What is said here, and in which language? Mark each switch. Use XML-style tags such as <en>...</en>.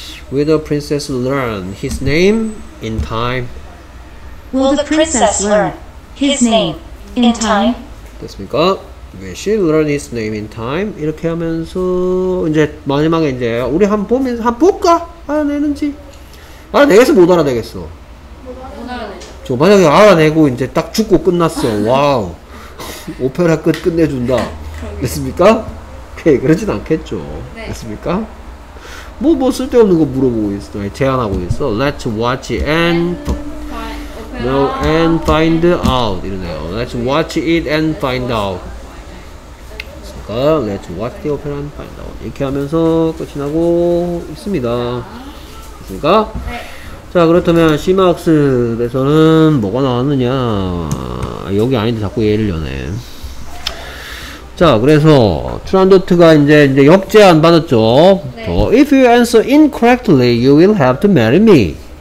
<en>Will the princess learn his name in time? Will the princess learn his name in time?</en> <ko>됐습니까?</ko> <en>Will she learn his name in time?</en> <ko>이렇게 하면서 이제 마지막에 이제 우리 한번 보면서 한번 볼까? 알아내는지 알아내겠어? 못 알아내겠어? 못 알아내죠. 만약에 알아내고 이제 딱 죽고 끝났어. 와우, 오페라 끝 끝내준다. 됐습니까? 오케이, 그러진 않겠죠. 네. 됐습니까? 뭐 쓸데없는 거 물어보고 있어. 제안하고 있어.</ko> <en>Let's watch and no and find out</en> <ko>이러네요.</ko> <en>Let's watch it and find out. Let's watch the opera and find out.</en> <ko>이렇게 하면서 끝이 나고 있습니다. 됐습니까? 네. 자, 그렇다면 C마크스에서는 뭐가 나왔느냐. 여기 아닌데 자꾸 예를 여네. 자, 그래서 트란도트가 이제 역제안 받았죠. 네.</ko> <en>So, if you answer incorrectly, you will have to marry me.</en>